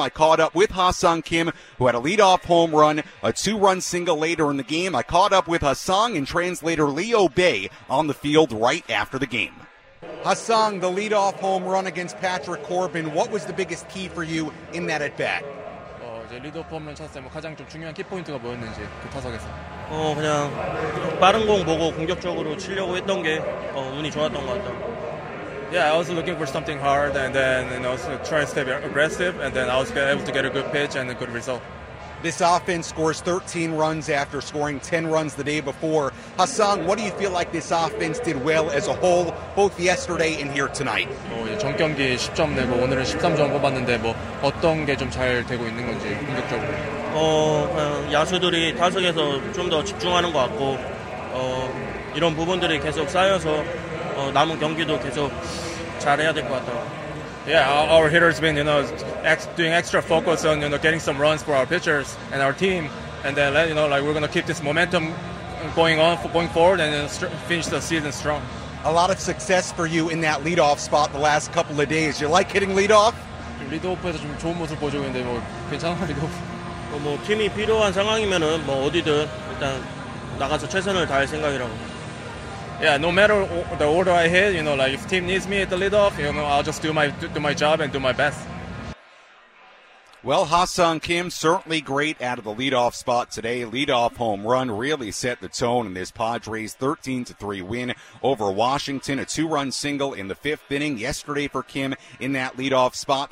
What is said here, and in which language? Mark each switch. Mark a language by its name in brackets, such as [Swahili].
[English] I caught up with Ha-Seong Kim, who had a leadoff home run, a two-run single later in the game. I caught up with Ha-Seong and translator Leo Bay on the field right after the game. Ha-Seong, the leadoff home run against Patrick Corbin. What was the biggest key for you in that at-bat? [Korean] 이제 리드오프 홈런 쳤을 때 뭐 가장 좀 중요한 키포인트가 뭐였는지 그 타석에서 그냥 빠른 공 보고 공격적으로 치려고 했던 게 운이 좋았던 것 같아요. [English] Yeah, I was looking for something hard and then you know so trying to stay aggressive and then I was able to get a good pitch and a good result. This offense scores 13 runs after scoring 10 runs the day before. Ha-Seong, what do you feel like this offense did well as a whole, both yesterday and here tonight? [Korean] 전 경기 10점 내고 오늘은 13점 뽑았는데 뭐 어떤 게 좀 잘 되고 있는 건지 공격적으로. 야수들이 타석에서 좀 더 집중하는 것 같고 이런 부분들이 계속 쌓여서 남은 경기도 계속 잘해야 될 것 같아요. [English] Yeah, our hitters have been, you know, doing extra focus on, you know, getting some runs for our pitchers and our team. And then, you know, like, we're going to keep this momentum going on, going forward and finish the season strong. A lot of success for you in that leadoff spot the last couple of days. You like hitting leadoff? [Korean] 리드오프에서 좀 좋은 모습 보여주고 있는데, 뭐, 괜찮아, 리드오프. 뭐, 팀이 필요한 상황이면은, 뭐, 어디든 일단 나가서 최선을 다할 생각이라고. [English] Yeah, no matter the order I hit, you know, like if team needs me at the leadoff, you know, I'll just do my job and do my best. Well, Ha-Sung Kim certainly great out of the leadoff spot today. Leadoff home run really set the tone in this Padres 13-3 win over Washington. A two-run single in the fifth inning yesterday for Kim in that leadoff spot.